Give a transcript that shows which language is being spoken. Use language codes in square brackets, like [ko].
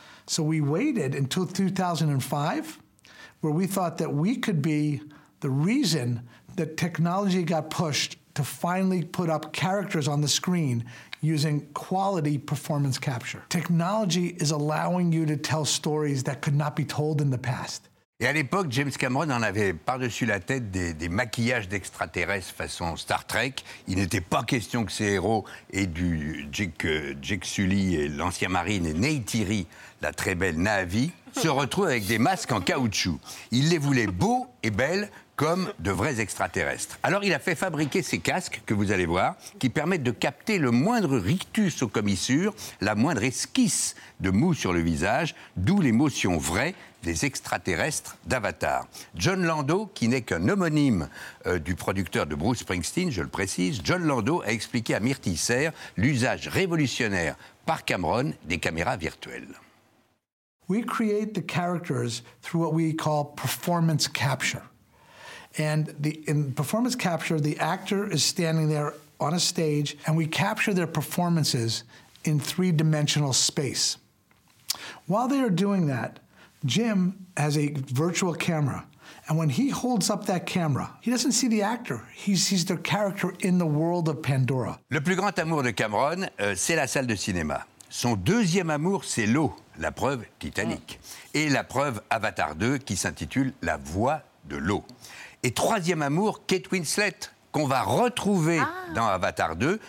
[en] So we waited until 2005, where we thought that we could be the reason that technology got pushed to finally put up characters on the screen using quality performance capture. Technology is allowing you to tell stories that could not be told in the past. [fr] Et à l'époque, James Cameron en avait par-dessus la tête des maquillages d'extraterrestres façon Star Trek. Il n'était pas question que ces héros aient du Jake Sully et l'ancien marine et Neytiri, la très belle Na'vi, se retrouvent avec des masques en caoutchouc. Il les voulait beaux et belles comme de vrais extraterrestres. Alors il a fait fabriquer ces casques, que vous allez voir, qui permettent de capter le moindre rictus aux commissures, la moindre esquisse de mou sur le visage, d'où l'émotion vraie des extraterrestres d'Avatar. John Lando, qui n'est qu'un homonyme du producteur de Bruce Springsteen, je le précise, John Lando a expliqué à Myrtille Serre l'usage révolutionnaire par Cameron des caméras virtuelles. [en] We create the characters through what we call performance capture. And in performance capture, the actor is standing there on a stage and we capture their performances in three-dimensional space. While they are doing that, Jim has a virtual camera. And when he holds up that camera, he doesn't see the actor. He sees their character in the world of Pandora. [fr] Le plus grand amour de Cameron, c'est la salle de cinéma. Son deuxième amour, c'est l'eau, la preuve Titanic. Et la preuve Avatar 2, qui s'intitule La voix de l'eau. Et troisième amour, Kate Winslet, qu'on va retrouver dans Avatar 2.